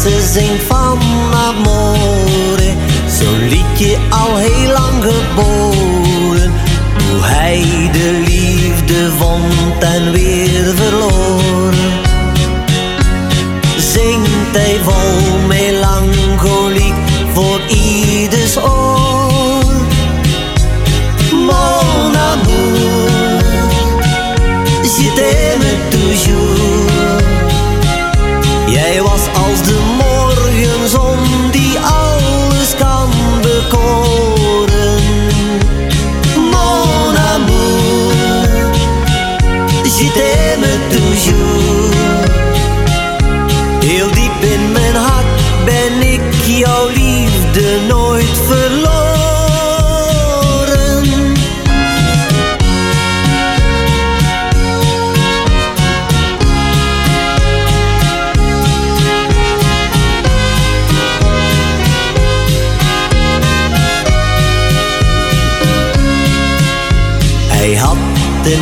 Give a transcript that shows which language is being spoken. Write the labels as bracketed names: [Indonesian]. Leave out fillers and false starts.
[Dutch] Zing van amore, zo'n liedje al heel lang geboren. Hoe hij de liefde vond en weer verloren. Zingt hij vol melancholiek voor ieders oor. [French] Mon amour, je t'aime toujours. [Dutch] Jij was als de